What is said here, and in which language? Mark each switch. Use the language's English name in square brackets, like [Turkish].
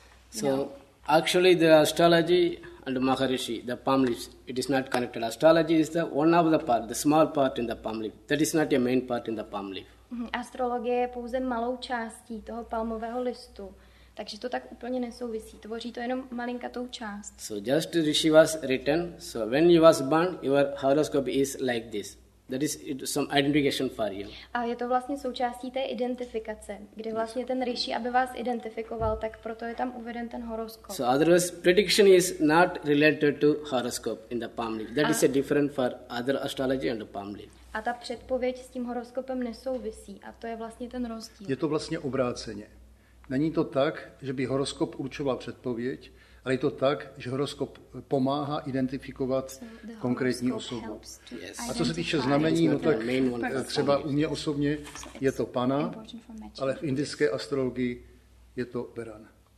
[English] So, actually the astrology and Maharishi, the palm leaf, it is not connected. Astrology is the one of the part, the small part in the palm leaf. That is not a main part in the palm leaf. [Czech] Astrologie je pouze malou částí toho palmového listu, takže to tak úplně nesouvisí. Tvoří to jenom malinkatou část. [English] So just Rishi was written, so when you was born, your horoscope is like this. That is some identification for you. [Czech] A je to vlastně součástí té identifikace, kde vlastně ten Rishi, aby vás identifikoval, tak proto je tam uveden ten horoskop. [English] So otherwise, prediction is not related to horoscope in the palm leaf. That is a different for other astrology and the palm leaf. [Czech] A ta předpověď s tím horoskopem nesouvisí a to je vlastně ten rozdíl. Je to vlastně obráceně. Není to tak, že by horoskop určoval předpověď, ale je to tak, že horoskop pomáhá identifikovat konkrétní osobu. A co se týče znamení, no tak třeba u mě osobně je to pana, ale v indické astrologii je to beran.